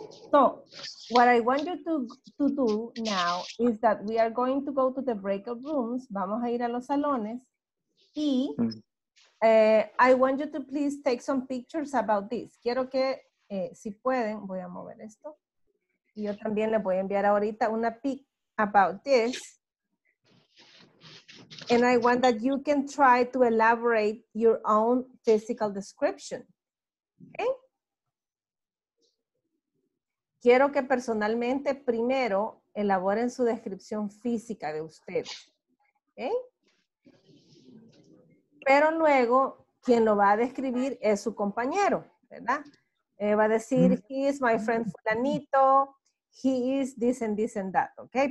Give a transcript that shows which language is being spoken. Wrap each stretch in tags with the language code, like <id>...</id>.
<en>So, what I want you to do now is that we are going to go to the breakout rooms.</en> <es>Vamos a ir a los salones. Y</es> <en>I want you to please take some pictures about this.</en> <es>Quiero que, si pueden, voy a mover esto. Y yo también les voy a enviar ahorita una</es> <en>pic about this. And I want that you can try to elaborate your own physical description. Okay?</en> <es>Quiero que personalmente primero elaboren su descripción física de ustedes. Okay? Pero luego, quien lo va a describir es su compañero, ¿verdad? Va a decir,</es> <en>he is my friend fulanito. He is this and this and that.</en> <es>Okay?</es>